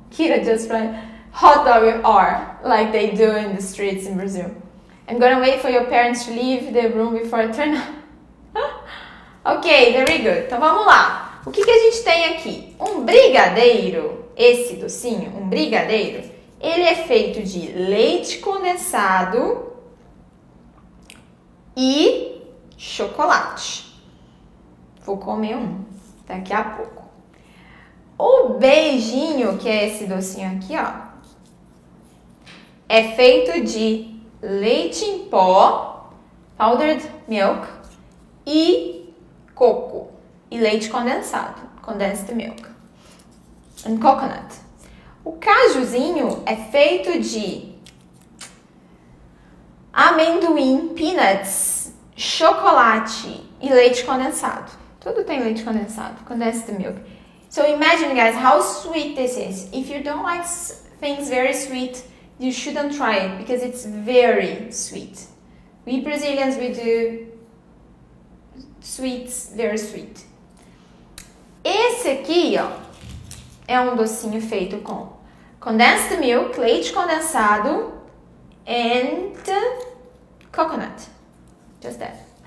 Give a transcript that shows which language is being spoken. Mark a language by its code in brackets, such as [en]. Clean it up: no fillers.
[en] Kira just from hot dog or like they do in the streets in Brazil. I'm gonna wait for your parents to leave the room before I turn on. Ok, very good. [pt] Então vamos lá. O que, que a gente tem aqui? Um brigadeiro, esse docinho, um brigadeiro, ele é feito de leite condensado e chocolate. Vou comer um daqui a pouco. O beijinho, que é esse docinho aqui, ó, é feito de leite em pó, [en] powdered milk, [pt] e coco e leite condensado, [en] condensed milk, and coconut. [pt] O cajuzinho é feito de amendoim, peanuts, chocolate e leite condensado. Tudo tem leite condensado, [en] condensed milk. So imagine, guys, how sweet this is. If you don't like things very sweet, you shouldn't try it because it's very sweet. We Brazilians, we do sweets, very sweet. [pt] Esse aqui, ó, é um docinho feito com [en] condensed milk, [pt] leite condensado, [en] and coconut. Just that.